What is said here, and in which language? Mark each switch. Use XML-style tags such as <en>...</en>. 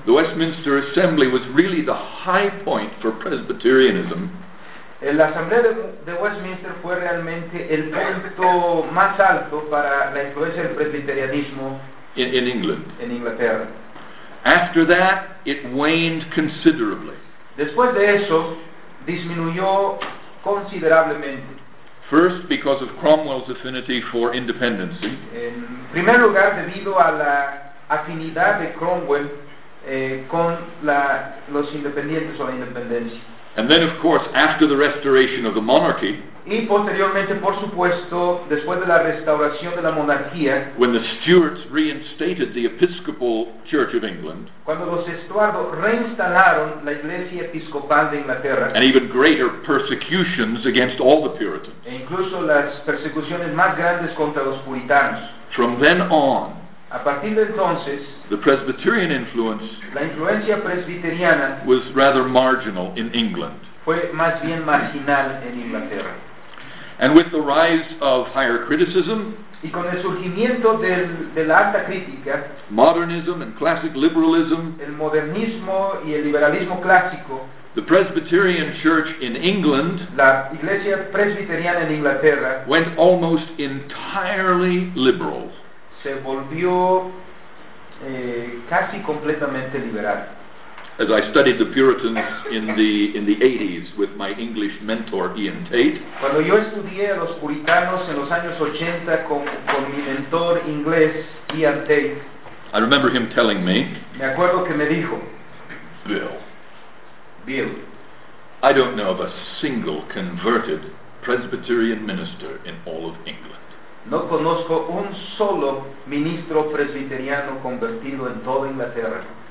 <en>the Westminster Assembly was really the high point for Presbyterianism.</en> <es>La Asamblea de Westminster fue realmente el punto más alto para la influencia del presbiterianismo</es> <en>in England.</en> <es>En Inglaterra.</es> <en>After that, it waned considerably.</en> <es>Después de eso, disminuyó considerablemente.</es> <en>First, because of Cromwell's affinity for independency.</en> <es>En primer lugar, debido a la afinidad de Cromwell con los independientes o la independencia.</es> <en>And then, of course, after the restoration of the monarchy,</en> <es>y posteriormente, por supuesto, después de la restauración de la monarquía,</es> <en>when the Stuarts reinstated the Episcopal Church of England,</en> <es>cuando los Estuardos reinstalaron la Iglesia Episcopal de Inglaterra,</es> <en>and even greater persecutions against all the Puritans,</en> <es>e incluso las persecuciones más grandes contra los puritanos,</es> <en>from then on,</en> <es>a partir de entonces,</es> <en>the Presbyterian influence,</en> <es>la influencia presbiteriana,</es> <en>was rather marginal in England.</en> <es>Fue más bien marginal en Inglaterra.</es> <en>And with the rise of higher criticism,</en> <es>y con el surgimiento de la alta crítica,</es> <en>modernism and classic liberalism,</en> <es>el modernismo y el liberalismo clásico,</es> <en>the Presbyterian Church in England,</en> <es>la iglesia presbiteriana en Inglaterra,</es> <en>went almost entirely liberal.</en> <es>Se volvió casi completamente liberal.</es> <en>As I studied the Puritans in the 80s with my English mentor Ian Tate,</en> <es>cuando yo estudié a los puritanos en los años 80 con mi mentor inglés Ian Tate,</es> <en>I remember him telling me,</en> <es>me acuerdo que me dijo,</es> <en>Bill, I don't know of a single converted Presbyterian minister in all of England.</en> <es>No conozco un solo ministro presbiteriano convertido en toda Inglaterra.</es>